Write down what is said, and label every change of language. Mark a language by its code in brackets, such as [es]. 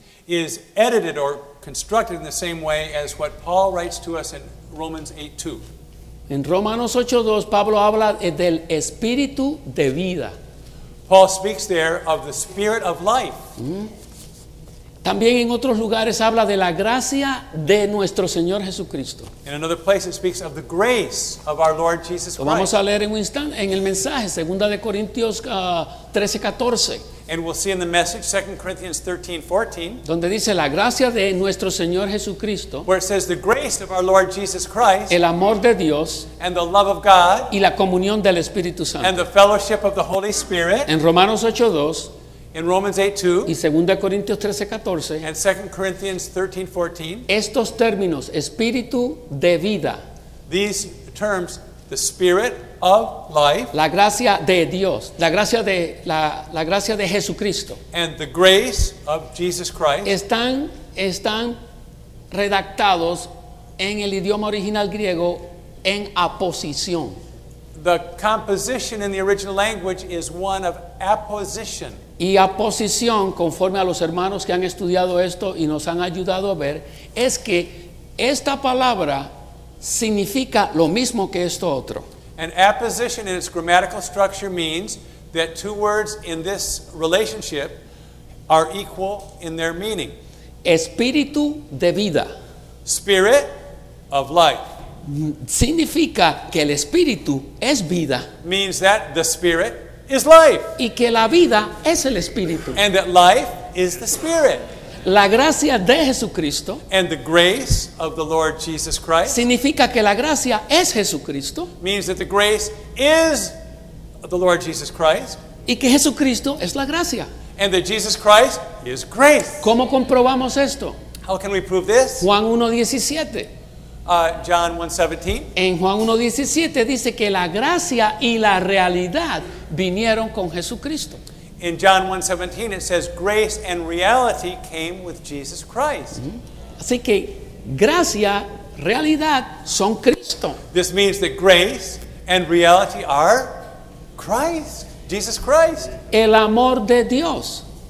[en] Is edited or constructed in the same way as what Paul writes to us in Romans 8:2. [es] En Romanos 8:2 Pablo habla del espíritu de vida. [en] Paul speaks there of the spirit of life. Mm. [es] También en otros lugares habla de la gracia de nuestro Señor Jesucristo. [en] In another place it speaks of the grace of our Lord Jesus Christ. [es] Lo vamos a leer en un instante en el mensaje, 2 de Corintios 13:14. [en] And we'll see in the message, 2 Corinthians 13:14. [es] Donde dice la gracia de nuestro Señor Jesucristo. [en] Where it says the grace of our Lord Jesus Christ. [es] El amor de Dios. [en] And the love of God. [es] Y la comunión del Espíritu Santo. [en] And the fellowship of the Holy Spirit. [es] En Romanos 8:2. [en] In Romans 8:2. [es] Y 2 Corintios 13:14. [en] And 2 Corinthians 13:14. [es] Estos términos, espíritu de vida. [en] These terms, the spirit of life, [es] la gracia de Dios, la gracia de Jesucristo, [en] and the grace of Jesus Christ, [es] están redactados en el idioma original griego en aposición. [en] The composition in the original language is one of apposition. [es] Y aposición, conforme a los hermanos que han estudiado esto y nos han ayudado a ver, es que esta palabra significa lo mismo que esto otro. [en] An apposition in its grammatical structure means that two words in this relationship are equal in their meaning. [es] Espíritu de vida. [en] Spirit of life. [es] Significa que el espíritu es vida. [en] Means that the spirit is life. [es] Y que la vida es el espíritu. [en] And that life is the spirit. [es] La gracia de Jesucristo. [en] And the grace of the Lord Jesus Christ. [es] Significa que la gracia es Jesucristo. [en] Means that the grace is the Lord Jesus Christ. [es] Y que Jesucristo es la gracia. [en] And that Jesus Christ is grace. [es] ¿Cómo comprobamos esto? [en] How can we prove this? [es] Juan 1:17. [en] John 1:17. [es] En Juan 1:17 dice que la gracia y la realidad vinieron con Jesucristo. [en] In John 1:17 it says grace and reality came with Jesus Christ. [es] Así que gracia, realidad son Cristo. [en] This means that grace and reality are Christ, Jesus Christ. [es] El amor de Dios.